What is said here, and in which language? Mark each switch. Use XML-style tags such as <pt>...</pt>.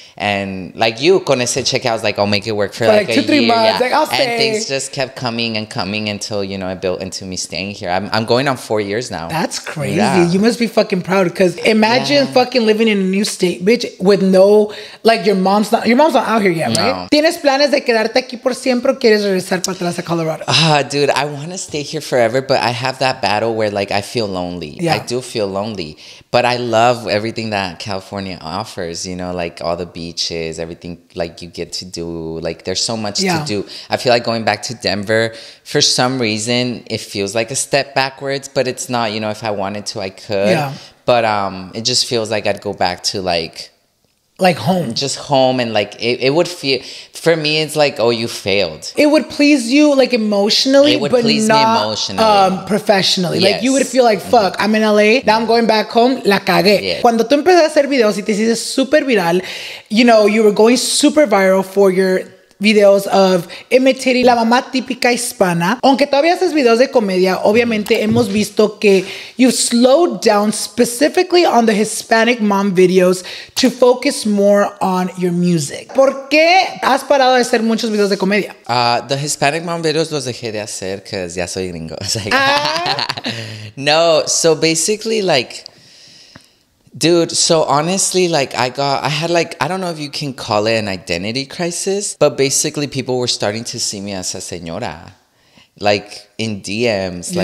<en>And like you,</en> <es>con ese check,</es> <en>I was like, I'll make it work for like two, 3 months. Yeah. Like, I'll stay. And things just kept coming and coming until, you know, it built into me staying here. I'm going on 4 years now. That's crazy. Yeah. You must be fucking proud, because imagine fucking living in a new state, bitch, with no, like, your mom's not out here yet, no. Right?</en> <es>¿Tienes planes de quedarte aquí por siempre o quieres regresar para atrás a Colorado?</es> <en>Dude, I want to stay here forever, but I have that battle where like I feel lonely. Yeah. I do feel lonely. But I love everything that California offers, you know, like all the beaches, everything like you get to do. Like, there's so much to do. I feel like going back to Denver, for some reason, it feels like a step backwards, but it's not. You know, if I wanted to, I could. Yeah. But it just feels like I'd go back to like... Like home. Just home. And like, it would feel, for me, it's like, oh, you failed. It would please you like emotionally, but not professionally. Yes. Like you would feel like, fuck, mm-hmm. I'm in LA. Now I'm going back home.</en> <es>La cagué.</es> <en>Yes.</en> <es>Cuando tú empezaste a hacer videos y te hiciste super viral,</es> <en>you know, you were going super viral for your videos of imitating</en> <es>la mamá típica hispana. Aunque todavía haces videos de comedia, obviamente hemos visto que</es> <en>you've slowed down specifically on the Hispanic mom videos to focus more on your music.</en> <es>¿Por qué has parado de hacer muchos videos de comedia?</es> <en>The Hispanic mom videos</en> <es>los dejé de hacer</es> <en>because</en> <es>ya soy gringo.</es> <en>Like, no, so basically like, dude, so honestly, like, I had, I don't know if you can call it an identity crisis, but basically people were starting to see me as a señora, like, in DMs, yeah.</en>